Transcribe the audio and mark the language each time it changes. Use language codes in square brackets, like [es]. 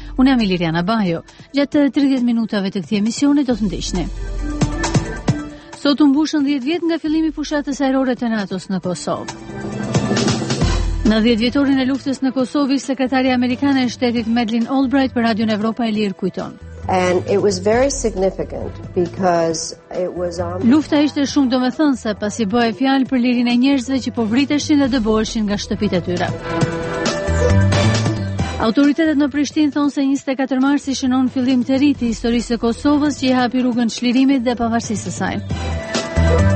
[sq] Unë jam Ilirjana Bajo, gjatë 30 minutave të këtij emisioni do të ndiqni. Sot u mbushën 10 vjet nga fillimi i fushatës ajrore të NATO-s në Kosovë. Në 10 vjetorin e luftës në Kosovë, sekretaria amerikane e shtetit Madeleine Albright për Radio Evropa e Lirë kujton. [en] And it was very significant because it was on... [sq] Lufta ishte shumë domethënse pasi bëhej fjalë për lirinë e njerëzve që po vriteshin dhe dëboheshin nga shtëpitë e tyre. Autoritetet në Prishtinë thonë se 24 marsi shënon fillim të ri të historisë së Kosovës që i hapi rrugën çlirimit dhe pavarësisë së saj.